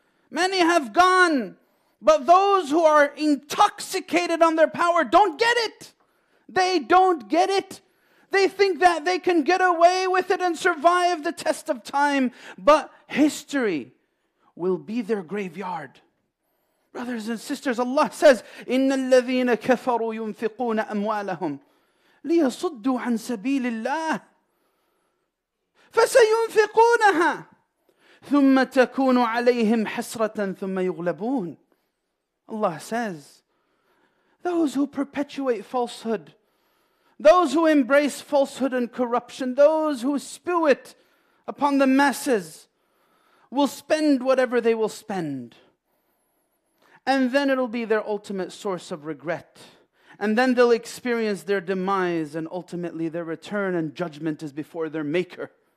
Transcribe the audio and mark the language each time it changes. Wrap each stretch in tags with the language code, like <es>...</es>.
<en>Many have gone, but those who are intoxicated on their power don't get it. They don't get it. They think that they can get away with it and survive the test of time, but history will be their graveyard. Brothers and sisters, Allah says,</en> <ar>إِنَّ الَّذِينَ كَفَرُوا يُنفِقُونَ أَمْوَالَهُمْ لِيَصُدُّوا عَن سَبِيلِ اللَّهِ فَسَيُنفِقُونَهَا ثُمَّ تَكُونُ عَلَيْهِمْ حَسْرَةً ثُمَّ يُغْلَبُونَ.</ar> <en>Allah says, those who perpetuate falsehood, those who embrace falsehood and corruption, those who spew it upon the masses, will spend whatever they will spend. And then it'll be their ultimate source of regret. And then they'll experience their demise, and ultimately their return and judgment is before their maker.</en>